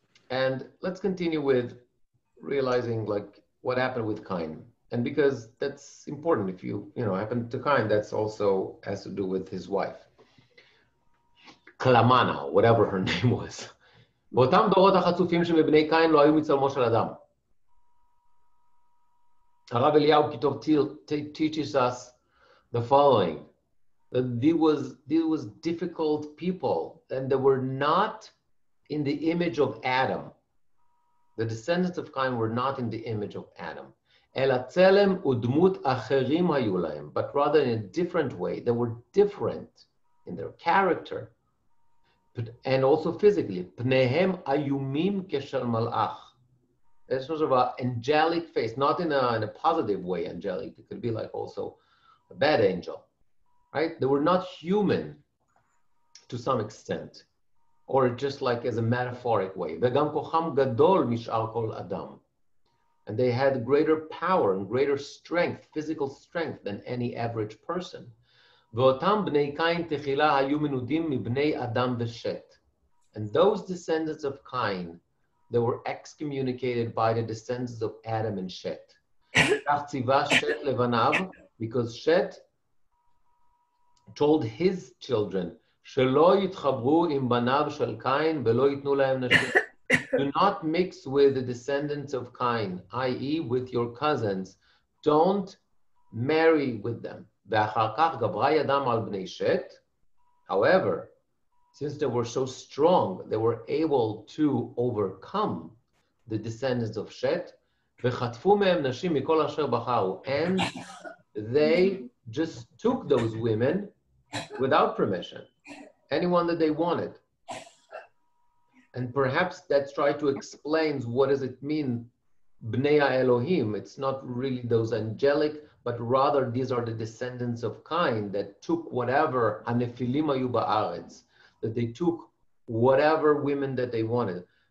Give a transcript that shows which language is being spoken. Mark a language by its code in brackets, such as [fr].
[en] And let's continue with realizing like what happened with Cain, and because that's important, if you know happened to Cain, that's also has to do with his wife Klamana, whatever her name was. [he] באותם דורות החצופים שמבני קין לא היו מצלמו של אדם. [en] הרב אליהו כתוב teaches us the following, that these was difficult people, and they were not in the image of Adam. The descendants of Cain were not in the image of Adam. [he] Ela tzelem udmut acherim hayu lahem, [en] but rather in a different way. They were different in their character, but, and also physically. [he] Pnehem ayumim keshel malach. [en] That's sort of an angelic face, not in a positive way angelic. It could be like also a bad angel, right? They were not human to some extent, or just like as a metaphoric way. [he] וגם כוחם גדול משאר כל אדם. [en] And they had greater power and greater strength, physical strength, than any average person. [he] ואותם בני קין תחילה היו מנודים מבני אדם ושת. [en] And those descendants of Cain, they were excommunicated by the descendants of Adam and Shet. [he] כך ציווה שת לבניו, [en] because Shet told his children, [he] שלא יתחברו עם בניו של קין ולא יתנו להם נשים. [en] Do not mix with the descendants of Cain, i.e. with your cousins. Don't marry with them. [he] ואחר כך גברה ידם על בני שת. [en] However, since they were so strong, they were able to overcome the descendants of שת. [he] וחטפו מהם נשים מכל אשר בחרו. [en] And they just took those women without permission. Anyone that they wanted. And perhaps that's trying to explain what does it mean, Bnei Elohim. It's not really those angelic, but rather these are the descendants of Cain that took whatever, [he] Anefilim ayu ba'aretz, [en] that they took whatever women that they wanted.